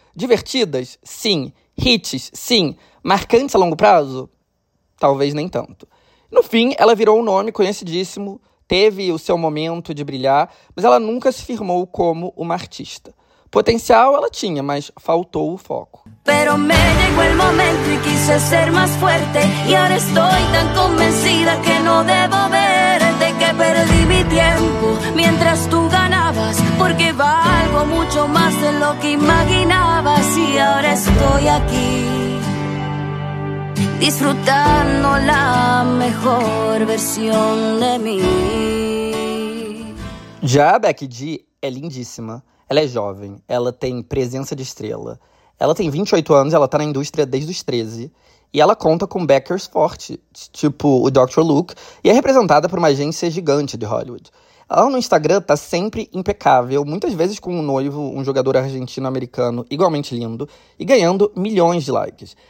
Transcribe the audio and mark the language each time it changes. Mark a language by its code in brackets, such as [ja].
[pt] Divertidas? Sim. Hits? Sim. Marcantes a longo prazo? Talvez nem tanto. No fim, ela virou um nome conhecidíssimo, teve o seu momento de brilhar, mas ela nunca se firmou como uma artista. Potencial ela tinha, mas faltou o foco. [es] Pero me llegó el momento y quise ser más fuerte y ahora estoy tan convencida que no debo verte que perdí mi tiempo mientras tú ganabas porque valgo mucho más de lo que imaginabas y ahora estoy aquí disfrutando la mejor versión de mí. [pt] Já a Becky G é lindíssima. Ela é jovem, ela tem presença de estrela. Ela tem 28 anos, ela tá na indústria desde os 13. E ela conta com backers fortes, tipo o Dr. Luke, e é representada por uma agência gigante de Hollywood. Ela no Instagram tá sempre impecável, muitas vezes com um noivo, um jogador argentino-americano igualmente lindo, e ganhando milhões de likes.